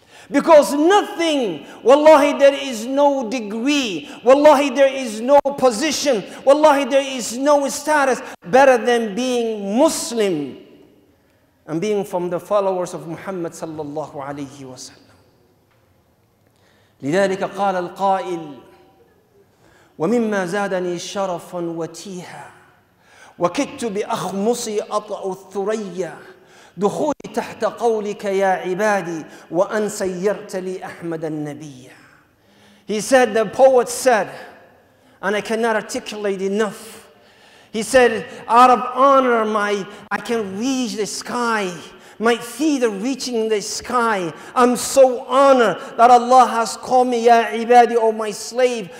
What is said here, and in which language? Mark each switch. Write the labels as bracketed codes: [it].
[en] Because nothing, wallahi there is no degree, wallahi there is no position, wallahi there is no status better than being Muslim and being from the followers of Muhammad sallallahu alayhi wa sallam. [ar] لذلك قال القائل ومما زادني شرفا وتيها وكدت بأخمصي أطأ الثريا دخولي تحت قولك يا عبادي وأن سيرت لي أحمد النبي. [en] He said, the poet said, and I cannot articulate enough. He said, out of honor, I can reach the sky. My feet are reaching the sky. I'm so honored that Allah has called me, Ya Ibadi, O my slave.